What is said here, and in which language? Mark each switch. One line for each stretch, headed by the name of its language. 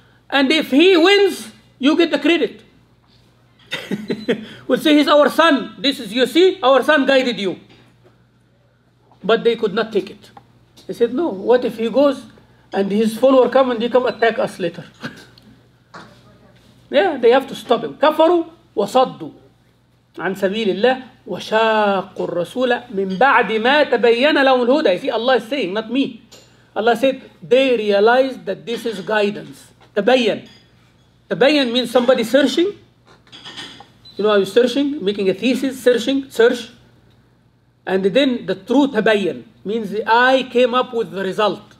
English: And if he wins, you get the credit. We'll say, he's our son. This is, you see, our son guided you. But they could not take it. They said, no, what if he goes and his follower come and they come attack us later? Yeah, they have to stop him.
Arabic: كفروا وصدوا عن سبيل الله وشاقوا الرسول من بعد ما تبين لهم الهدى.
English: You see, Allah is saying, not me. Allah said, they realized that this is guidance. تبين. تبين means somebody searching. You know how you're searching, making a thesis, searching, search. And then the true تبين means I came up with the result.